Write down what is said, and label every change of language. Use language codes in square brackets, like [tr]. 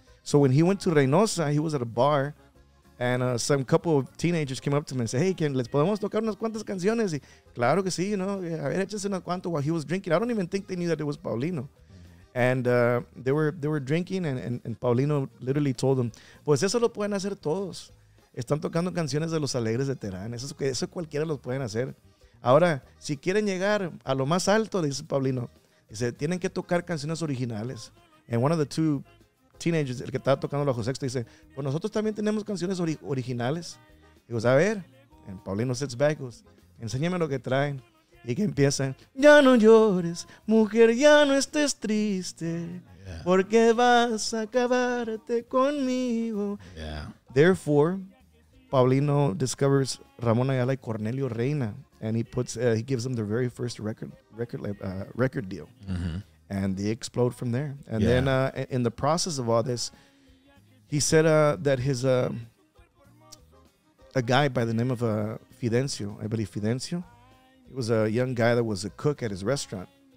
[en] So when he went to Reynosa, he was at a bar, and some couple of teenagers came up to him and said, "Hey, can [es] les podemos tocar unas cuantas canciones?" Y, claro que sí, [en] you know. [es] A ver, échense unas cuantas [en] while he was drinking. I don't even think they knew that it was Paulino, and they were drinking, and Paulino literally told them, [es] "Pues eso lo pueden hacer todos." Están tocando canciones de los Alegres de Terán. Eso cualquiera los pueden hacer. Ahora, si quieren llegar a lo más alto, dice Paulino, dice, tienen que tocar canciones originales. [en] And one of the two teenagers, [es] el que estaba tocando la José Sexta, dice, pues nosotros también tenemos canciones originales. Y goes, a ver. [en] And Paulino sits back, goes, [es] enséñame lo que traen. Y que empiezan, ya no llores, mujer, ya no estés triste. Yeah. Porque vas a acabarte conmigo. [en] Yeah. Therefore, Paulino discovers Ramon Ayala y Cornelio Reina, and he gives them their very first record deal, mm-hmm. and they explode from there. And yeah. then, in the process of all this, he said that his a guy by the name of Fidencio, I believe Fidencio, he was a young guy that was a cook at his restaurant.